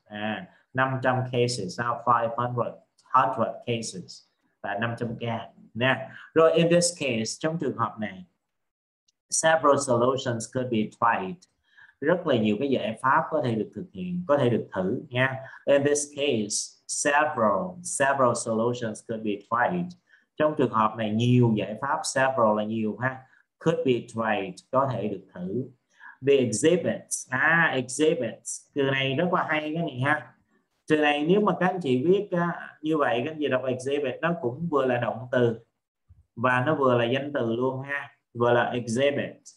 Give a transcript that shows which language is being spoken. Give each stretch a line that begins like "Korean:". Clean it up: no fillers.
Vietnamese: À, 500 cases, 500 cases là 500 ca nè.
English: Rồi in this case,
Vietnamese: trong trường hợp này,
English: several solutions could be tried.
Vietnamese: Rất là nhiều cái giải pháp có thể được thực hiện, có thể được thử nha.
English: In this case, several solutions could be tried.
Vietnamese: Trong trường hợp này nhiều giải pháp, several là nhiều ha,
English: could be tried,
Vietnamese: có thể được thử. The exhibits, à exhibits, từ này rất là hay cái này ha. Từ này nếu mà các anh chị biết như vậy, cái gì đọc exhibit nó cũng vừa là động từ và nó vừa là danh từ luôn ha, vừa là exhibit.